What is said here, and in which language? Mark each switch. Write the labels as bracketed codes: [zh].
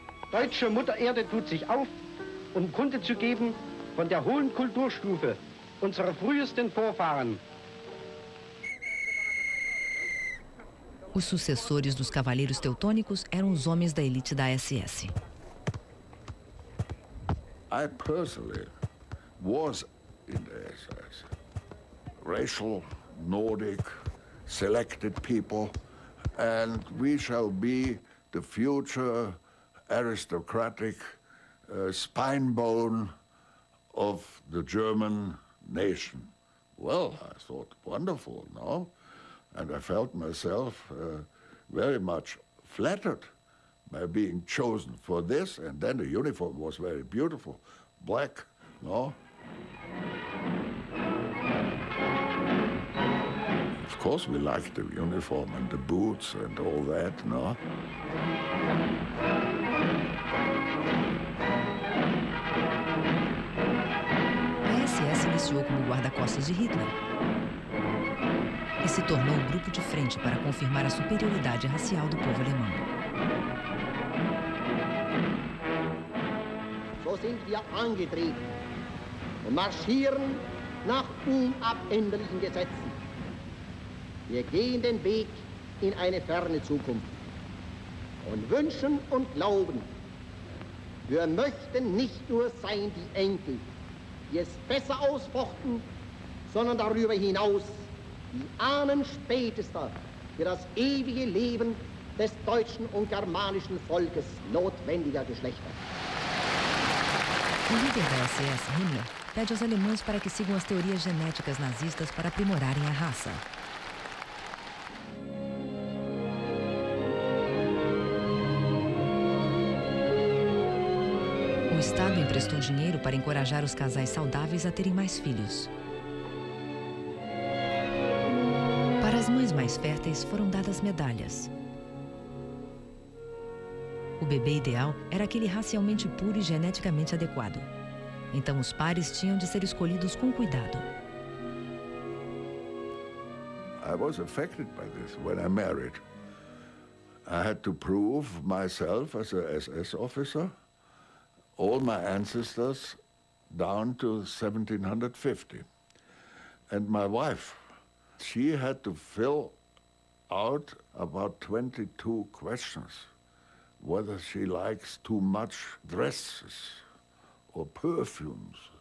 [de] Deutsche Mutter Erde tut sich auf, um Kunde zu geben von der hohen Kulturstufe unserer frühesten Vorfahren. [pt] Os sucessores dos cavaleiros teutônicos eram os homens da elite da SS. [en] I personally was in the SS. Racial, Nordic, selected people, and we shall be the future aristocratic spinebone of the German nation. Well, I thought, wonderful, no? And I felt myself very much flattered by being chosen for this, and then the uniform was very beautiful, black, no? Of course, we liked the uniform and the boots and all that, no? [pt] Iniciou como guarda-costas de Hitler e se tornou o grupo de frente para confirmar a superioridade racial do povo alemão. [de] So sind wir angetrieben und marschieren nach unabänderlichen Gesetzen. Wir gehen den Weg in eine ferne Zukunft und wünschen und glauben, wir möchten nicht nur sein die Enkel, die es besser ausfochten, sondern darüber hinaus die Ahnen spätester für das ewige Leben des deutschen und germanischen Volkes notwendiger Geschlechter. [pt] O líder da SS, Himmler, pede aos alemães para que sigam as teorias genéticas nazistas para aprimorarem a raça. O Estado emprestou dinheiro para encorajar os casais saudáveis a terem mais filhos. Para as mães mais férteis, foram dadas medalhas. O bebê ideal era aquele racialmente puro e geneticamente adequado. Então, os pares tinham de ser escolhidos com cuidado. [en] I was affected by this when I married. I had to prove myself as a SS officer. All my ancestors down to 1750. And my wife, she had to fill out about 22 questions, whether she likes too much dresses or perfumes.